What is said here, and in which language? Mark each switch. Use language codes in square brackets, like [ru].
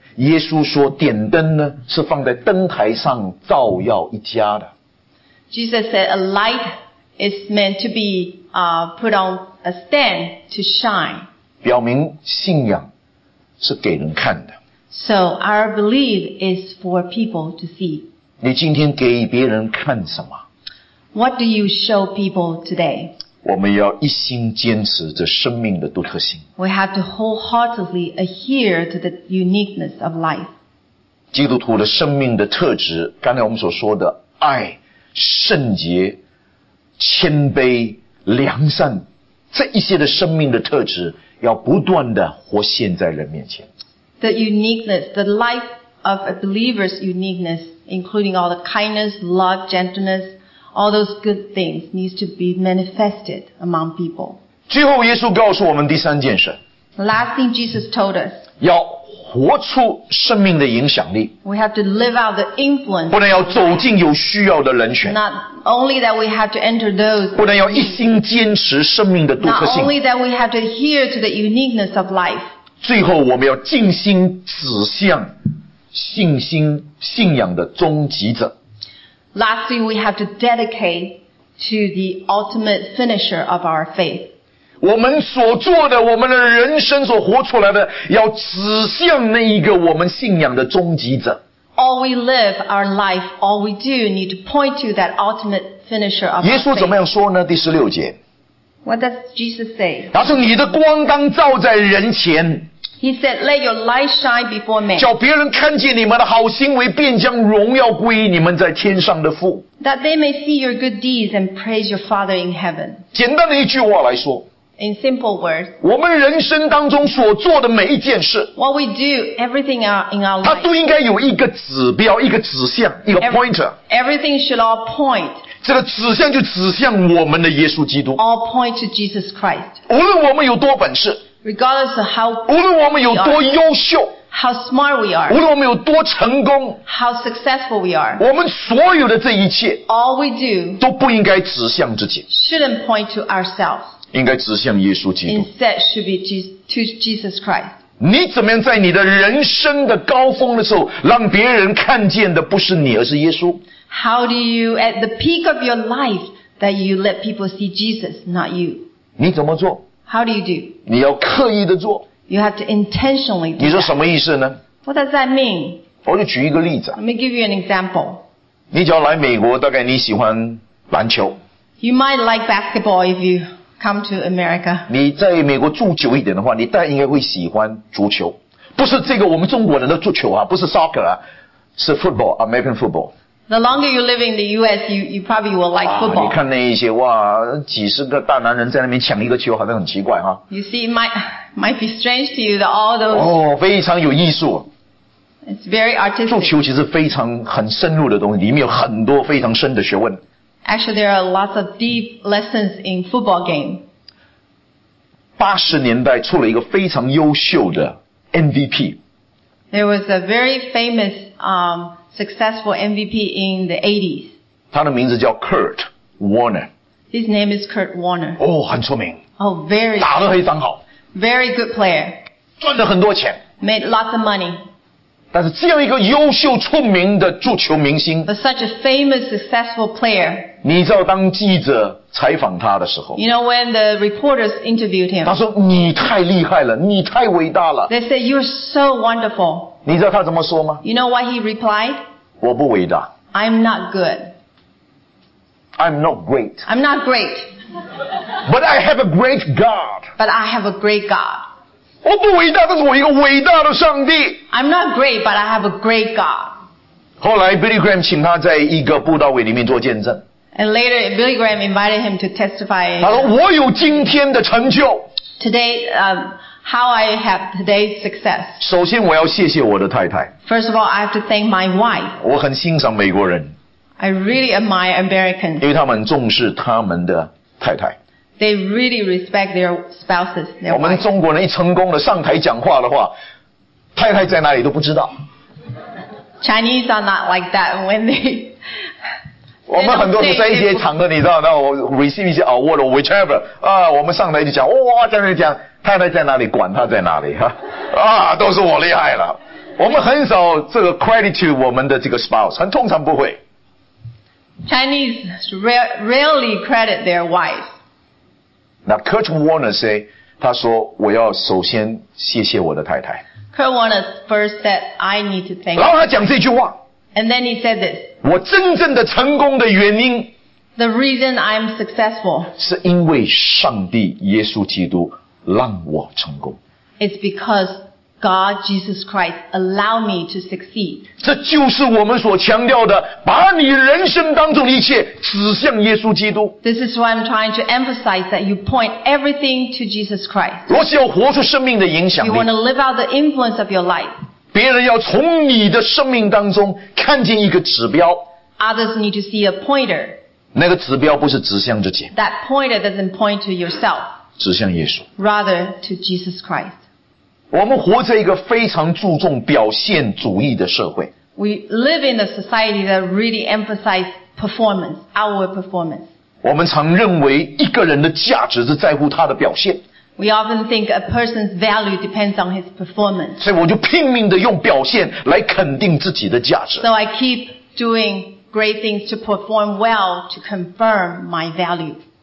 [zh] 耶稣说点灯呢是放在灯台上照耀一家的。 [en] Jesus said a light is meant to be put on a stand to shine. [zh] 表明信仰是给人看的。 [en] So our belief is for people to see. [zh] 你今天给别人看什么？ [en] What do you show people today? [zh] 我们要一心坚持这生命的独特性。 [en] We have to wholeheartedly adhere to the uniqueness of life. [zh] 基督徒的生命的特质，刚才我们所说的爱圣洁谦卑良善这一些的生命的特质要不断的活现在人面前。 [en] The uniqueness, the life of a believer's uniqueness, including all the kindness, love, gentleness, all those good things needs to be manifested among people. [zh] 最后耶稣告诉我们第三件事。 [en] Last thing Jesus told us. [zh] 要活出生命的影响力。 [en] We have to live out the influence. [zh] 不能要走进有需要的人群。 [en] Not only that we have to enter those. [zh] 不能要一心坚持生命的独特性。 [en] Not only that we have to adhere to the uniqueness of life. [zh] 最后我们要尽心指向信心信仰的终极者。 [en] Lastly, we have to dedicate to the ultimate finisher of our faith. [zh] 我们所做的我们的人生所活出来的要指向那一个我们信仰的终极者。 [en] All we live, our life, all we do need to point to that ultimate finisher of our faith. [zh] 耶稣怎么样说呢？第十六节。 [en] What does Jesus say? [zh] 他说你的光当照在人前。 [en] He said, let your light shine before men. [zh] 叫别人看见你们的好行为便将荣耀归于你们在天上的父。 [en] That they may see your good deeds and praise your Father in heaven. [zh] 简单的一句话来说。 [en] In simple words, [zh] 我们人生当中所做的每一件事 [en] what we do, everything in our life, [zh] 它都应该有一个指标一个指向一个 pointer [en] everything should all point [zh] 这个指向就指向我们的耶稣基督 [en] all point to Jesus Christ [zh] 无论我们有多本事 [en] regardless of how [zh] 无论我们有多优秀 [en] how smart we are [zh] 无论我们有多成功 [en] how successful we are [zh] 我们所有的这一切 [en] all we do [zh] 都不应该指向自己 [en] shouldn't point to ourselves [zh] 应该指向耶稣基督。 [en] Instead should be to Jesus Christ. [zh] 你怎么样在你的人生的高峰的时候让别人看见的不是你而是耶稣。 [en] How do you, at the peak of your life, that you let people see Jesus, not you? [zh] 你怎么做? [en] How do you do? [zh] 你要刻意的做。 [en] You have to intentionally do that. [zh] 你说什么意思呢? [en] What does that mean? [zh] 我就举一个例子。 [en] Let me give you an example. [zh] 你只要来美国大概你喜欢篮球。 [en] You might like basketball if you... Come to America. [zh] 你在美国住久一点的话，你大概应该会喜欢足球，不是这个我们中国人的足球啊，不是 soccer 啊，是 [en] football, American football. The longer you live in the U.S., you probably will like football.、 [zh] 啊、你看那一些哇，几十个大男人在那边抢一个球，好像很奇怪哈、啊。 [en] You see, might be strange to you that all those. [zh] 哦，非常有艺术。 [en] It's very artistic. [zh] 足球其实非常很深入的东西，里面有很多非常深的学问。 [en] Actually, there are lots of deep lessons in football game. [zh] 80年代出了一个非常优秀的 MVP. [en] There was a very famous, successful MVP in the 80s. [zh] 他的名字叫 Kurt Warner. [en] His name is Kurt Warner. [zh] 哦、oh, ，很出名。 [en] Oh, very. [zh] 打得非常好。 [en] Very good player. [zh] 赚了很多钱。 [en] Made lots of money. [zh] 但是这样一个优秀出名的足球明星 [en] But such a famous successful player [zh] 你知道当记者采访他的时候 [en] You know when the reporters interviewed him [zh] 他说你太厉害了你太伟大了 [en] They said you're so wonderful [zh] 你知道他怎么说吗 [en] You know what he replied [zh] 我不伟大 [en] I'm not good I'm not great. I'm not great. But I have a great God. But I have a great God. [zh] 我不伟大，但是我有一个伟大的上帝。 [en] I'm not great, but I have a great God. [zh] 后来 Billy Graham 请他在一个布道会里面做见证。 [en] And later, Billy Graham invited him to testify. [zh] 他说我有今天的成就。 [en] Today, how I have today's success. [zh] 首先我要谢谢我的太太。 [en] First of all, I have to thank my wife. [zh] 我很欣赏美国人。 [en] I really admire Americans. [zh] 因为他们重视他们的太太。 [en] They really respect their spouses. Their [zh] 我们中国人一成功的上台讲话的话，太太在哪里都不知道。 [en] Chinese are not like that when they. [zh] 我们很多时候在一些场合，你知道，那我 receive 一些 [en] award or whichever [zh] 啊，我们上台就讲，哇，在那讲，太太在哪里，管他在哪里哈，啊，都是我厉害了。我们很少这个 [en] credit to [zh] 我们的这个 spouse， 很通常不会。 [en] Chinese rarely credit their wives. Now, Kurt Warner say, [zh] 他说我要首先谢谢我的太太。 [en] Kurt Warner first said, I need to thank you. [zh] 然后他讲这句话。 [en] And then he said this. [zh] 我真正的成功的原因。 [en] The reason I'm successful. [zh] 是因为上帝耶稣基督让我成功。 [en] It's because God Jesus Christ allowed me to succeed. [zh] 这就是我们所强调的，把你人生当中的一切指向耶稣基督。 [en] This is why I'm trying to emphasize that you point everything to Jesus Christ. [zh] 若是要活出生命的影响力， [en] you want to live out the influence of your life. [zh] 别人要从你的生命当中看见一个指标。 [en] Others need to see a pointer. [zh] 那个指标不是指向自己。 [en] That pointer doesn't point to yourself. [zh] 指向耶稣。 [en] Rather to Jesus Christ. [zh] 我们活在一个非常注重表现主义的社会。 [en] We live in a society that really emphasizes performance, outward performance. [zh] 我们常认为一个人的价值是在乎他的表现。 [en] We often think a person's value depends on his performance. [zh] 所以我就拼命的用表现来肯定自己的价值。 [en] So I keep doing great things to perform well to confirm my value.